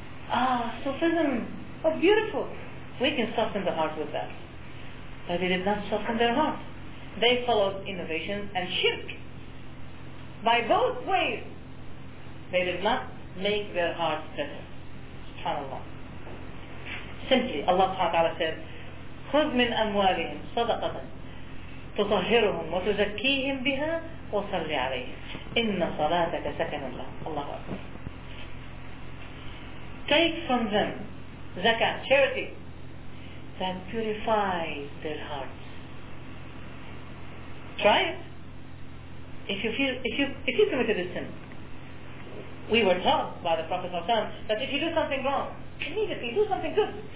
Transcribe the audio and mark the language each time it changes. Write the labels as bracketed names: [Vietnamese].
[English] Ah, Sufism, oh beautiful. We can soften the heart with that. But they did not soften their heart. They followed innovation and shirk. By both ways, they did not make their hearts better. SubhanAllah. Simply, Allah Ta'ala said, [Arabic] خذ من أموالهم صدقة تطهرهم وتزكيهم بها وصل عليهم إن صلاتك سكن لهم. الله أكبر. [English] Take from them zakat, charity, then purify their hearts. Try it. If you committed a sin, we were taught by the Prophet ﷺ that if you do something wrong, immediately do something good.